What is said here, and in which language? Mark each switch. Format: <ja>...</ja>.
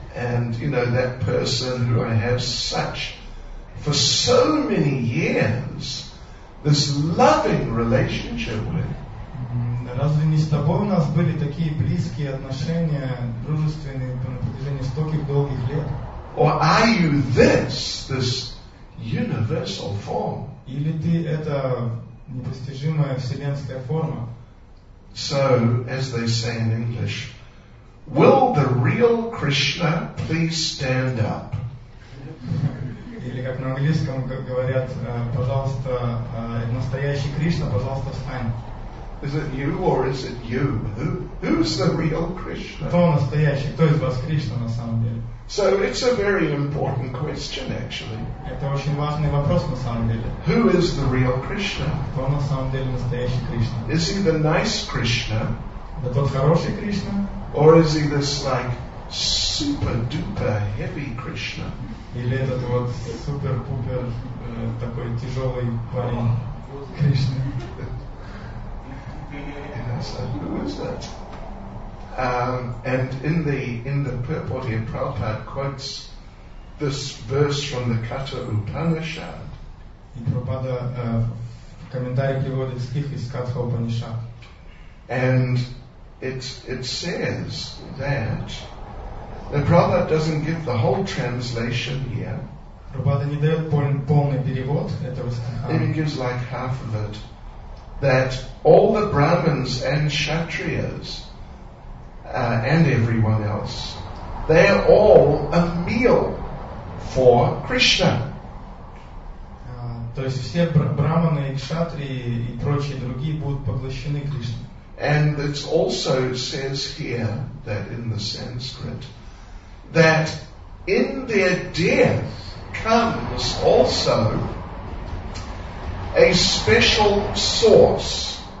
<en>And, you know, that person who I have such, for so many years, this loving relationship with.</en> <ru>Разве не с тобой у нас были такие близкие отношения, дружественные на протяжении стольких долгих лет?</ru> <en>Or are you this universal form?</en> <ru>Или ты это непостижимая вселенская форма?</ru> <en>So, as they say in English, will the real Krishna please stand up?</en> <ru>Или как на английском говорят, пожалуйста, настоящий Кришна, пожалуйста, встань.</ru> <en>Is it you or is it you? Who's the real Krishna?</en> <ru>Кто настоящий? Кто из вас Кришна на самом деле?</ru> <en>So it's a very important question, actually.</en> <ru>Это очень важный вопрос на самом деле.</ru> <en>Who is the real Krishna?</en> <ru>Кто на самом деле настоящий Кришна?</ru> <en>Is he the nice Krishna?</en> <ru>Это тот хороший Кришна?</ru> <en>Or is he this like super duper heavy Krishna?</en> <ru>Или этот вот супер пупер такой тяжелый парень Кришна?</ru> <en>So who is it? And in the purport here, Prabhupada quotes this verse from the Katha Upanishad.</en> <ru>И Прабхупада в комментарии приводит стих из Катха Упанишад.</ru> <en>And it says that Prabhupada doesn't give the whole translation here.</en> <ru>Прабхупада не дает полный перевод этого стиха.</ru> <en>He gives like half of it. That all the Brahmins and Kshatriyas and everyone else. They are all a meal for Krishna.</en> <ru>То есть все брахманы, кшатри и прочие другие будут поглощены Кришной.</ru> <en>And it also says here that in the Sanskrit that in their death comes also a special source.</en>